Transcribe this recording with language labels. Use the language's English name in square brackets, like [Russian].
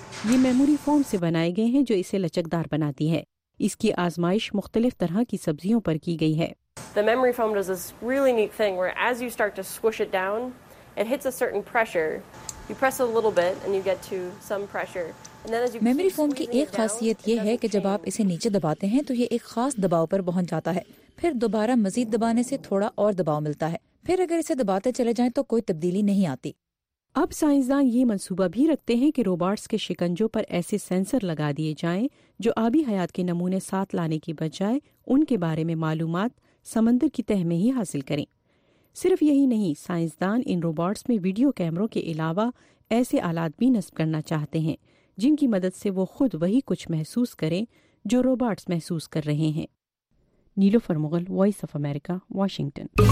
[Urdu] یہ memory form سے بنائے گئے ہیں جو اسے لچکدار بناتی ہے. اس کی آزمائش مختلف طرح کی سبزیوں پر کی گئی ہے. [English] The memory foam does this really neat thing where as you start to squish it down, it hits a certain pressure. You press a little bit and you get to some pressure. [Urdu] Memory foam کی ایک خاصیت یہ ہے کہ جب آپ اسے نیچے دباتے ہیں تو یہ ایک خاص دباؤ پر پہنچ جاتا ہے. پھر دوبارہ مزید دبانے سے تھوڑا اور دباؤ ملتا ہے. پھر اگر اسے دباتے چلے جائیں تو کوئی تبدیلی نہیں آتی۔ اب سائنسدان یہ منصوبہ بھی رکھتے ہیں کہ روبارٹس کے شکنجوں پر ایسے سینسر لگا دیے جائیں جو آبی حیات کے نمونے ساتھ لانے کی بجائے ان کے بارے میں معلومات سمندر کی تہ میں ہی حاصل کریں۔ صرف یہی نہیں، سائنسدان ان روبارٹس میں ویڈیو کیمروں کے علاوہ ایسے آلات بھی نصب کرنا چاہتے ہیں جن کی مدد سے وہ خود وہی کچھ محسوس کریں جو روبارٹس محسوس کر رہے ہیں۔ نیلوفر Mughal, voice of America, Washington.